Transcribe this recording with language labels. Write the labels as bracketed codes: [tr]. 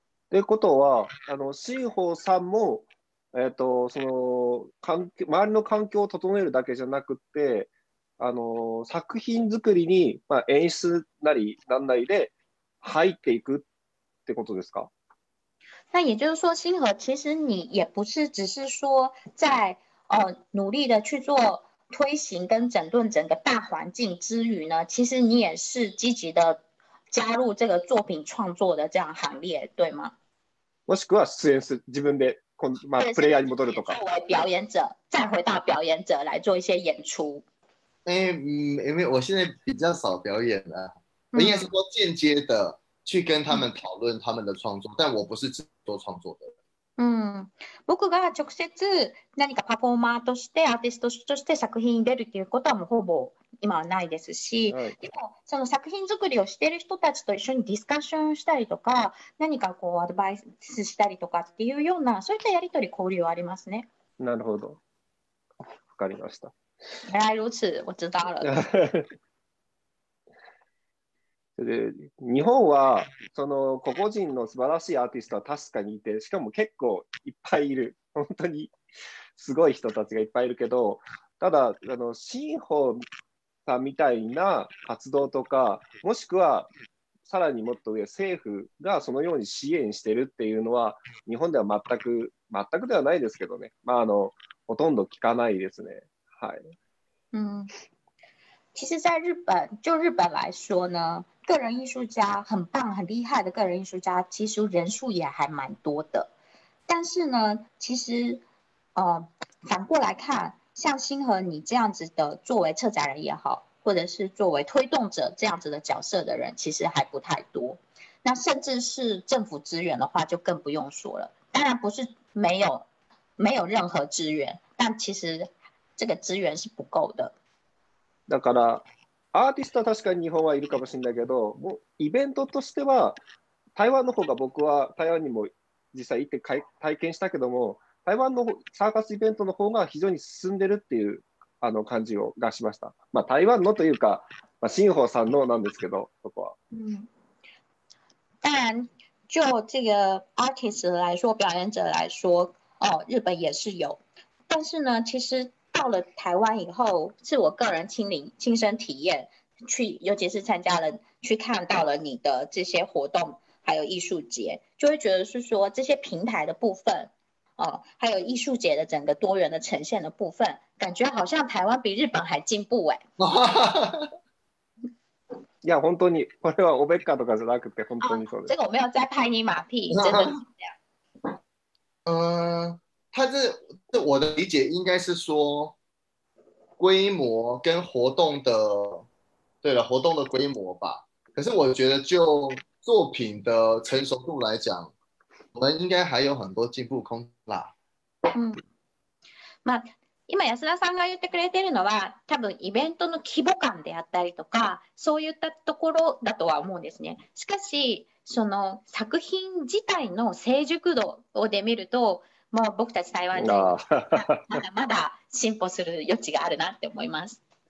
[ja] ということは、シンホーさんも、その周りの環境を整えるだけじゃなくて、作品作りに、まあ、演出なりなんなりで入っていくっってことですか？ [zh] 那也就是说，星河其实你也不是只是说在努力的去做推行跟整顿整个大环境之余呢，其实你也是积极的加入这个作品创作的这样行列，对吗？ [ja] もしくは出演する自分で、まあ、プレイヤーに戻るとか。 [zh] 作为表演者，再回到表演者来做一些演出。我现在比较少表演了，应该是说间接的去跟他们讨论他们的创作，但我不是只做创作的。 [ja] 僕が直接何かパフォーマーとしてアーティストとして作品に出るっていうことはもうほぼ今はないですし、でもその作品作りをしている人たちと一緒にディスカッションしたりとか、何かこうアドバイスしたりとかっていうようなそういったやり取り交流はありますね。なるほど、わかりました。 [zh] 原来如此，我知道了。 [ja] で、日本はその個々人の素晴らしいアーティストは確かにいて、しかも結構いっぱいいる。本当にすごい人たちがいっぱいいるけど、ただあの新法さんみたいな活動とか、もしくはさらにもっと上、政府がそのように支援してるっていうのは日本では全くではないですけどね。まああのほとんど聞かないですね。 [zh] 其实在日本，就日本来说呢，个人艺术家很棒很厉害的个人艺术家其实人数也还蛮多的，但是呢其实反过来看，像星河你这样子的作为策展人也好，或者是作为推动者这样子的角色的人其实还不太多，那甚至是政府资源的话就更不用说了，当然不是没有任何资源，但其实这个资源是不够的。 [ja] だからアーティストは確かに日本はいるかもしれないけど、もうイベントとしては台湾の方が、僕は台湾にも実際行って体験したけども、台湾のサーカスイベントの方が非常に進んでるっていうあの感じを出しました。まあ台湾のというか、まあ、新宝さんのなんですけど、そこは。 [zh] 当然就这个 artist 来说、表演者来说、日本也是有。但是呢、其实到了台湾以后，是我个人亲身体验，去尤其是参加了去看到了你的这些活动，还有艺术节，就会觉得是说这些平台的部分，还有艺术节的整个多元的呈现的部分，感觉好像台湾比日本还进步哎。 [ja] いや本当にこれはおべっかとかじゃなくて本当にそうです。 [zh] 这个我没有在拍你马屁，真的是这样。他这我的理解应该是说规模跟活动的，对了，活动的规模吧。可是我觉得就作品的成熟度来讲，我们应该还有很多进步空啦。 [ja] まあ今安田さんが言ってくれてるのは、多分イベントの規模感であったりとか、そういったところだとは思うんですね。しかしその作品自体の成熟度をで見ると。もう僕たち台湾人まだまだ進歩する余地があるなって思います。